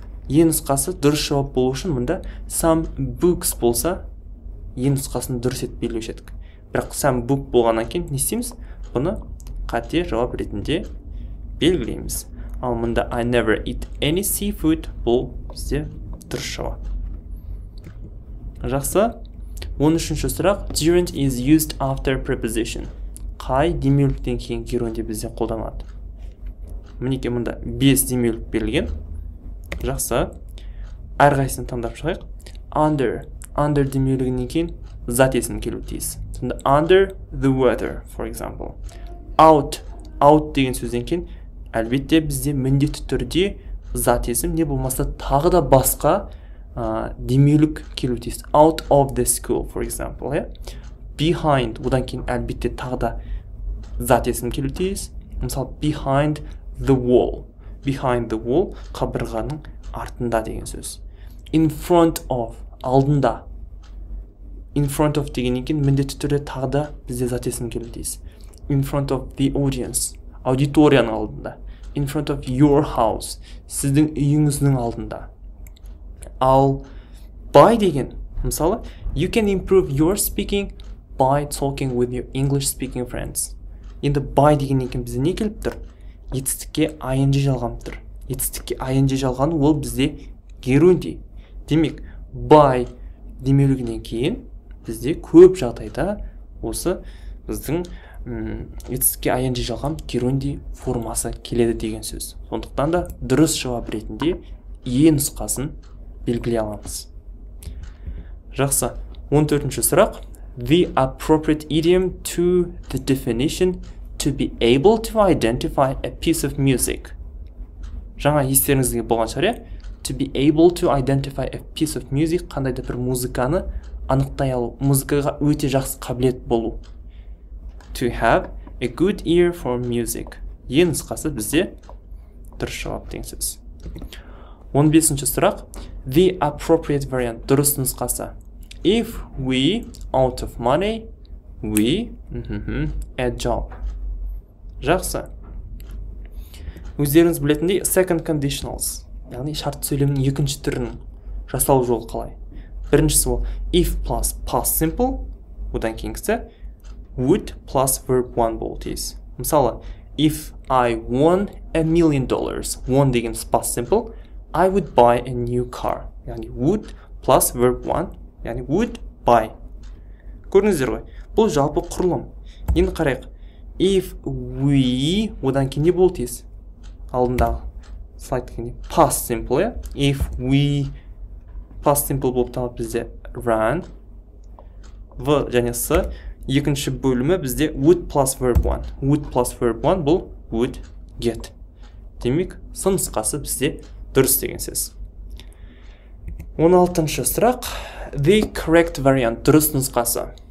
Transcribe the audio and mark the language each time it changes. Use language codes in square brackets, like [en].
[kk] Е нұсқасы дұрыс жауап болу үшін мында some books болса, е нұсқасын дұрыс деп белгілеу едік. Бірақ some book болғаннан кейін не істейміз? Бұны қате жауап ретінде белгілейміз. Ал мында [en] I never eat any seafood [kk] бұл бізде дұрыс жауап. Жақсы. 13-ші сұрақ. [en] Gerund is used after preposition. [kk] Қай демеуліктен кейін gerund-ді бізде қолданады? Мінекей мында 5 демеулік берілген. Жақсы. Әрқайсысын таңдап шығайық. [en] Under. [kk] Under демеулігінен кейін зат есімі келуі тиіс. [en] Сонда under the weather, for example. Out. [kk] Out деген сөзден кейін әлбетте бізде міндетті түрде зат есім не болмаса тағы да басқа демеулік келуі тиіс. [en] Out of the school, for example. Behind. [kk] Одан кейін әлбетте тағы да зат есім келуі тиіс. [en] Мысалы behind the wall. Behind the wall, [kk] қабырғаның артында деген сөз. [en] In front of, алдында. [kk] In front of дегеннен кейін міндетті түрде тағы да бізде зат есім келуі тиіс. [en] In front of the audience, [kk] аудиторияның алдында. [en] In front of your house, [kk] сіздің үйіңіздің алдында. Ал by деген, мысалы, [en] you can improve your speaking by talking with your English speaking friends. [kk] Енді by дегеннен кейін бізде не келіп тұр? Етістікке ING жалғанып тұр. Етістікке ING жалғаны ол бізде gerund. Демек, by демеулігінен кейін бізде көп жағдайда осы біздің етістікке ING жалған gerund формасы келеді деген сөз. Сондықтан да дұрыс жауап ретінде E нұсқасын белгілей аламыз. Жақсы, 14-ші сұрақ. [en] The appropriate idiom to the definition to be able to identify a piece of music. [kk] Жаңа естеріңізге болған шығар, [en] to be able to identify a piece of music [kk] қандай да бір музыканы анықтай алу, музыкаға өте жақсы қабілет болу. [en] To have a good ear for music. [kk] Ең нұсқасы бізде дұрыс жауап деген сөз. 15-ші сұрақ. [en] The appropriate variant. [kk] Дұрыс нұсқасы. [en] If we out of money, we a job. [kk] Жақсы. Өздеріңіз білетіндей second conditionals, яғни шарт сөйлемнің екінші түрінің жасалу жолы қалай. [en] Біріншісі ол if plus past simple, [kk] одан кейінгісі [en] would plus verb one [kk] болу тиіс. [en] Мысалы, if I won $1,000,000, won деген past simple, I would buy a new car. Яғни would plus verb one, яғни would buy. [kk] Көріңіздер ғой, бұл жалпы құрылым. Енді қарайық. If we, одан кейін не болу тиіс? Алдындағы слайд кейін past simple, if we, past simple болып талап бізде run, v және s, екінші бөлімі бізде would plus verb one. [en] Would plus verb one бұл would get. [kk] Демек, сынысқасы бізде дұрыс деген сөз. 16-ші сұрақ, [en] the correct variant, [kk] дұрыс нұсқасы.